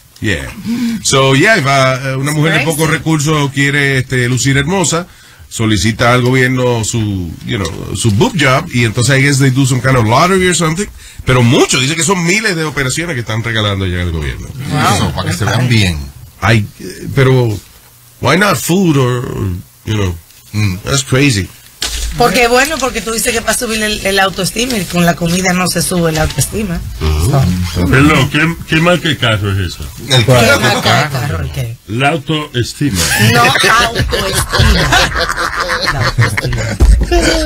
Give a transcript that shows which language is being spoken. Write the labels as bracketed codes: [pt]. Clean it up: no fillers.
[en] Yeah. So, yeah, if [es] una mujer de pocos recursos quiere lucir hermosa, solicita al gobierno su, [en] you know, su boob job, [es] y entonces [en] I guess they do some kind of lottery or something. [es] Pero muchos, dice que son miles de operaciones que están regalando allá en el gobierno. Eso, para que se vean bien. Ay, pero... [en] Why not food or, you know, that's crazy. [es] Porque bueno, porque tú dices que va a subir el autoestima y con la comida no se sube la autoestima. Pero no, ¿qué mal que carro es eso? ¿El carro? ¿Qué mal que carro? ¿El qué? La autoestima. No autoestima. La autoestima.